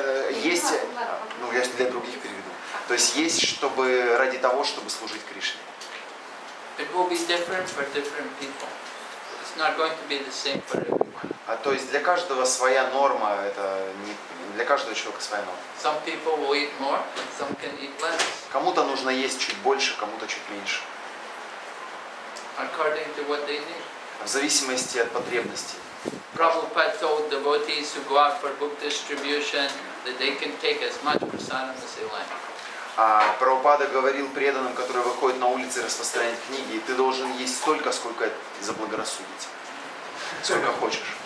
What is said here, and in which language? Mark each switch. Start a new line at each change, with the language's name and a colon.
Russian: Есть, ну я для других переведу. То есть есть, чтобы ради того, чтобы служить Кришне.
English: It will be different for different people. It's not going to be the same for everyone.
Russian: А то есть для каждого своя норма, это не для каждого человека своя норма.
English: Some people will eat more, some can eat less.
Russian: Кому-то нужно есть чуть больше, кому-то чуть меньше.
English: according to what they need.
Russian: В зависимости от потребностей.
English: Prabhupada told devotees who go out for book distribution that they can take as much prasadam as they like.
Russian: Прабхупада говорил преданным, которые выходят на улицы распространять книги, ты должен есть столько, сколько заблагорассудится. Сколько хочешь.